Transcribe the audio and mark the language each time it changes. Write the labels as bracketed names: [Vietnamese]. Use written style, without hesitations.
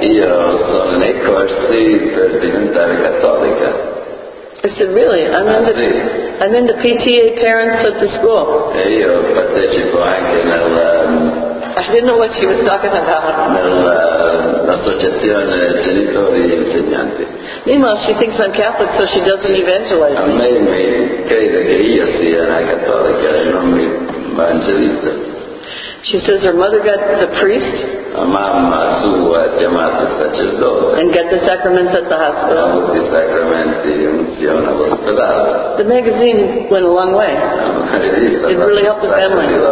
[Italian] Io sono nei corsi per diventare cattolica. [English] I said, really? I'm in the PTA parents at the school. [Italian] Io partecipo anche nel, [English] I didn't know what she was talking about. [Italian] Nell'associazione genitori e insegnanti. [English] Meanwhile, she thinks I'm Catholic, so she doesn't evangelize me. [Italian] A me crede che io sia una cattolica e non mi evangelizza. [English] She says her mother got the priest. [Italian] La mamma sua ha chiamato sacerdote. [English] And got the sacraments at the hospital. [Italian] Tutti i sacramenti e unzione all'ospedale. [English] The magazine went a long way. It really helped the family.